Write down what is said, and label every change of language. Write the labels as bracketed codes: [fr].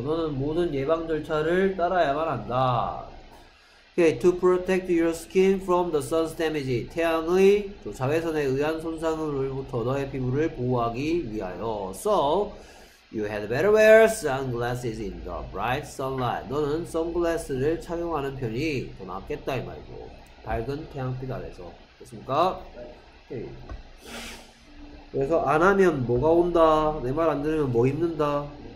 [ko] 너는 모든 예방 절차를 따라야만 한다. [en] Okay, to protect your skin from the sun's damage. [ko] 태양의 자외선에 의한 손상으로부터 너의 피부를 보호하기 위하여. [en] So, you had better wear sunglasses in the bright sunlight. [ko] 너는 선글라스를 착용하는 편이 더 낫겠다 이 말이고. 밝은 태양빛 아래서. 됐습니까? Okay. 그래서 안 하면 뭐가 온다? 내 말 안 들으면 뭐 입는다?